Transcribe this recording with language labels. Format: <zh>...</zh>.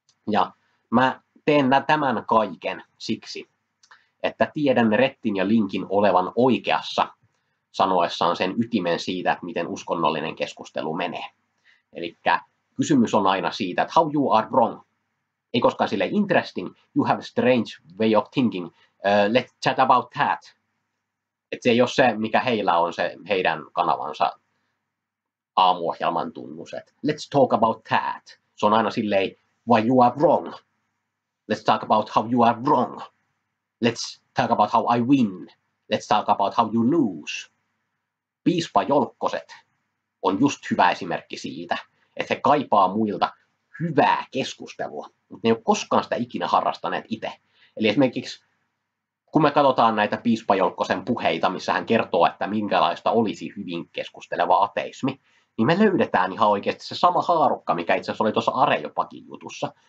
<fi>Ja mä teen tämän kaiken siksi, että tiedän Rettin ja Linkin olevan oikeassa sanoessaan sen ytimen siitä, että miten uskonnollinen keskustelu menee. Elikkä kysymys on aina siitä, että</fi> <en>how you are wrong.</en> <fi>Ei koskaan sille</fi> <en>interesting, you have a strange way of thinking, let's chat about that.</en> <fi>Et se ei ole se, mikä heillä on se heidän kanavansa aamuohjelman tunnus,</fi> <en>let's talk about that.</en> <fi>Se on aina silleen,</fi> <en>why you are wrong. Let's talk about how you are wrong. Let's talk about how I win. Let's talk about how you lose.</en> <fi>Piispa Jolkkoset on just hyvä esimerkki siitä, että he kaipaa muilta hyvää keskustelua, mutta ne ei ole koskaan sitä ikinä harrastaneet itse. Eli esimerkiksi, kun me katsotaan näitä Piispa Jolkkosen puheita, missä hän kertoo, että minkälaista olisi hyvin keskusteleva ateismi, niin me löydetään ihan oikeasti se sama haarukka, mikä itse asiassa oli tuossa Arejopakin jutussa.</fi>